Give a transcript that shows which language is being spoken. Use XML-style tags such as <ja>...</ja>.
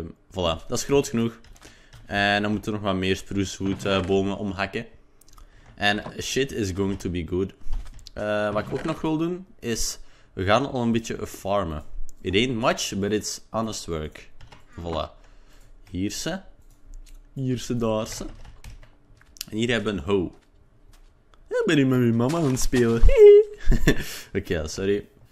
<nl>Voilà, dat is groot genoeg. En dan moeten we nog wat meer sprucewoodbomen omhakken.</nl> <en>En shit is going to be good.</en> <nl>Wat ik ook nog wil doen is, we gaan al een beetje farmen.</nl> <en>It ain't much, but it's honest work.</en> <nl>Voilà. Hier ze, daar ze. En hier hebben we een hoe. Ja, ben ik met mijn mama aan het spelen. Oké, sorry.</nl>